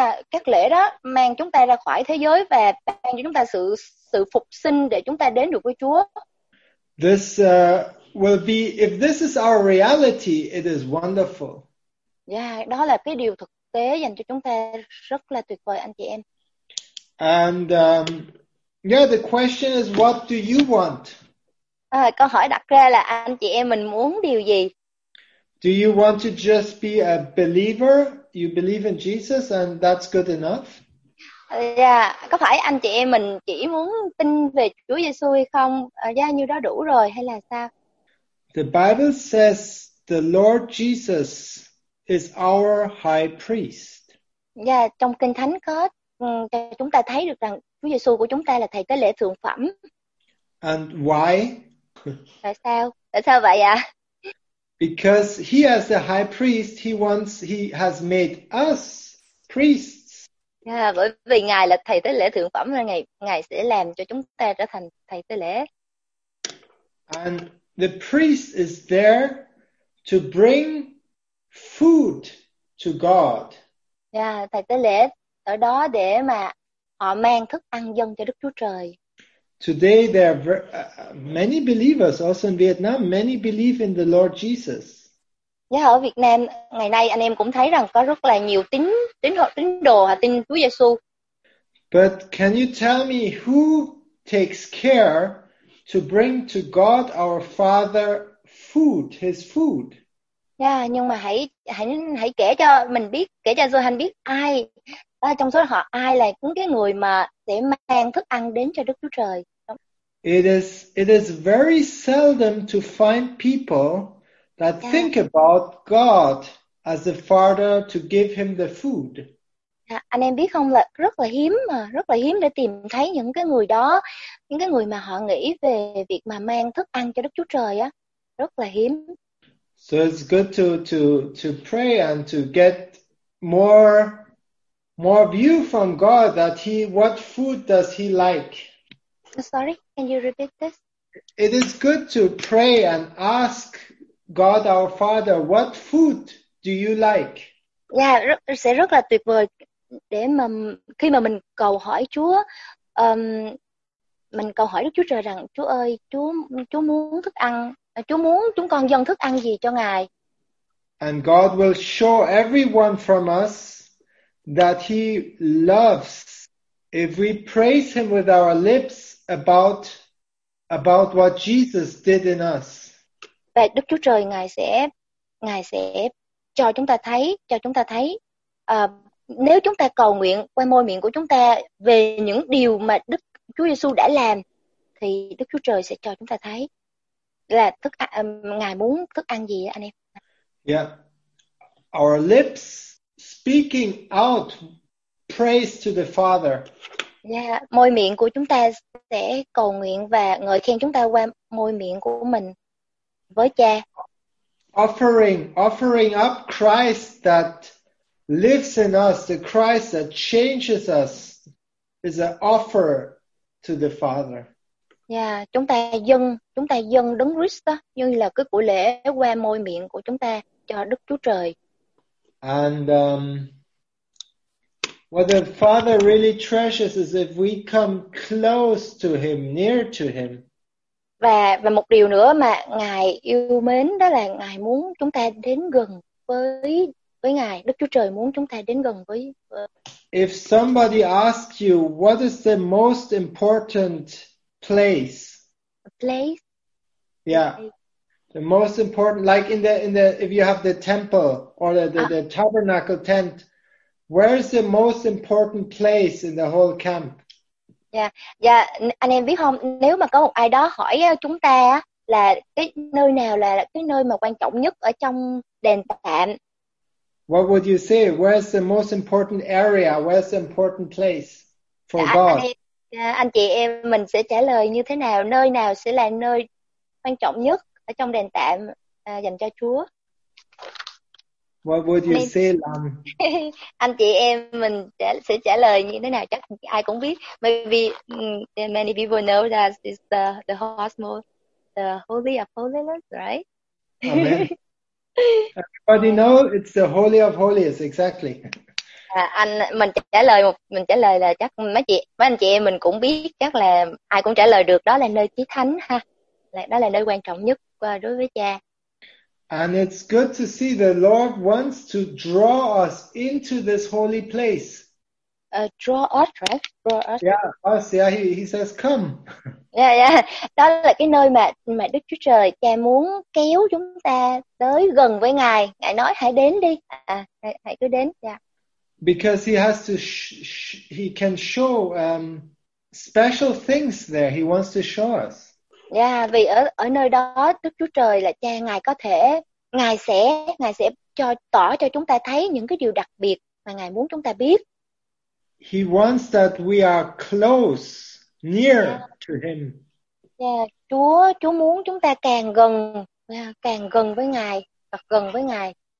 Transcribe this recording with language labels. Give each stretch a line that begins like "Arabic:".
Vietnamese: Các lễ đó mang chúng ta ra khỏi thế giới và ban cho chúng ta sự phục sinh để chúng ta đến được với Chúa.
English: This will be, if this is our reality, it is wonderful.
Vietnamese: Đó là cái điều thực tế dành cho chúng ta rất là tuyệt vời anh chị em.
English: And the question is, what do you want?
Vietnamese: Câu hỏi đặt ra là anh chị em mình muốn điều gì?
English: Do you want to just be a believer? You believe in Jesus and that's good enough?
Vietnamese: Có phải anh chị em mình chỉ muốn tin về Chúa Giêsu hay không? Như đó đủ rồi hay là sao?
English: The Bible says the Lord Jesus is our high priest.
Vietnamese: Trong Kinh Thánh có cho chúng ta thấy được rằng Chúa Giêsu của chúng ta là thầy tế lễ thượng phẩm.
English: And why?
Vietnamese: Tại sao? Tại sao vậy ạ?
English: Because he as the high priest, he has made us priests.
Vietnamese: Bởi vì Ngài là thầy tế lễ thượng phẩm nên Ngài sẽ làm cho chúng ta trở thành thầy tế lễ.
English: And the priest is there to bring food to God.
Vietnamese: Thầy tế lễ ở đó để mà họ mang thức ăn dâng cho Đức Chúa Trời.
English: Today there are many believers also in Vietnam, many believe in the Lord Jesus.
Vietnamese: Ở Việt Nam ngày nay anh em cũng thấy rằng có rất là nhiều tín đồ tin Chúa Giêsu.
English: But can you tell me who takes care to bring to God our Father food, his food?
Vietnamese: Nhưng mà hãy kể cho Johan biết ai trong số họ ai là những cái người mà sẽ mang thức ăn đến cho Đức Chúa Trời.
English: It is very seldom to find people that think about God as the Father to give him the food.
Vietnamese: Anh em biết không, là rất là hiếm để tìm thấy những cái người đó, những cái người mà họ nghĩ về việc mà mang thức ăn cho Đức Chúa Trời á, rất là hiếm.
English: So it's good to pray and to get more view from God that he, what food does he like? Sorry, can you repeat this? It is good to pray and ask God our Father, what food do you like?
Vietnamese: Sẽ rất là tuyệt vời để mà khi mà mình cầu hỏi Chúa, mình cầu hỏi Đức Chúa Trời rằng Chúa ơi, Chúa muốn thức ăn, Chúa muốn chúng con dâng thức ăn gì cho Ngài.
English: And God will show everyone from us that he loves if we praise him with our lips about what Jesus did in us.
Vietnamese: Và Đức Chúa Trời ngài sẽ cho chúng ta thấy nếu chúng ta cầu nguyện qua môi miệng của chúng ta về những điều mà Đức Chúa Giêsu đã làm thì Đức Chúa Trời sẽ cho chúng ta thấy là thức ngài muốn thức ăn gì anh em.
English: Our lips speaking out praise to the Father.
Vietnamese: Môi miệng của chúng ta sẽ cầu nguyện và ngợi khen chúng ta qua môi miệng của mình với Cha.
English: Offering up Christ that lives in us, the Christ that changes us, is an offer to the Father.
Vietnamese: Chúng ta dâng Đấng Christ đó như là cái của lễ qua môi miệng của chúng ta cho Đức Chúa Trời.
English: And what the Father really treasures is if we come close to him, near to him.
Vietnamese: Và một điều nữa mà Ngài yêu mến đó là Ngài muốn chúng ta đến gần với Ngài. Đức Chúa Trời muốn chúng ta đến gần với.
English: If somebody asks you what is the most important place? A place? Yeah. The most important, like in the if you have the temple or the tabernacle tent, Where is the most important place in the whole camp?
Vietnamese: Dạ, dạ anh em biết không, nếu mà có một ai đó hỏi chúng ta là cái nơi nào là cái nơi mà quan trọng nhất ở trong đền tạm.
English: What would you say? Where's the most important area? Where's the important place for
Vietnamese: Dạ,
English: God?
Vietnamese: anh chị em mình sẽ trả lời như thế nào, nơi nào sẽ là nơi quan trọng nhất ở trong đền tạm dành cho Chúa.
English: What would
Vietnamese: Anh
English: you
Vietnamese: em
English: say, Lam?
Vietnamese: anh chị em mình sẽ trả lời như thế nào chắc ai cũng biết.
English: Maybe many people know that it's the most, the holy of holiness, right? Amen. Yeah. Everybody know it's the holy of holies, exactly.
Vietnamese: Mình trả lời là chắc mấy anh chị em mình cũng biết, chắc là ai cũng trả lời được, đó là nơi chí thánh ha, là đó là nơi quan trọng nhất đối với cha.
English: And it's good to see the Lord wants to draw us into this holy place. Draw us, right? Draw us. Yeah, us. Yeah, he says, come. Yeah, yeah.
Vietnamese: Đó là cái nơi mà Đức Chúa Trời cha muốn kéo chúng ta tới gần với Ngài. Ngài nói hãy đến đi. Hãy cứ đến. Yeah.
English: Because he has to, he can show special things there. He wants to show us.
Vietnamese: Yeah, vì ở nơi đó Đức Chúa Trời là cha Ngài có thể, Ngài sẽ cho tỏ cho chúng ta thấy những cái điều đặc biệt mà Ngài muốn chúng ta biết.
English: He wants that we are close, near to him.
Vietnamese: Yeah, Chúa muốn chúng ta càng gần với Ngài, hoặc gần với Ngài.